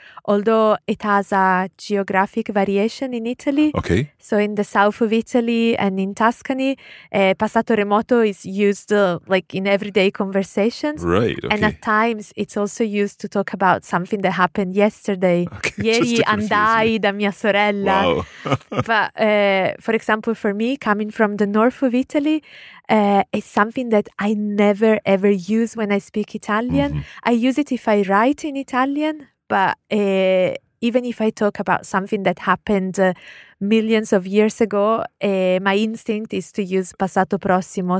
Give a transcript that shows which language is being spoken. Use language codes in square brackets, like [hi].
[en] Although it has a geographic variation in Italy. Okay. So in the south of Italy and in Tuscany, passato remoto is used like in everyday conversations. Right. Okay. And at times it's also used to talk about something that happened yesterday. Okay, [it] ieri andai da mia sorella. [en] Wow. But for example, for me, coming from the north of Italy, it's something that I never ever use when I speak Italian. Mm-hmm. I use it if I write in Italian, but even if I talk about something that happened millions of years ago, my instinct is to use passato prossimo.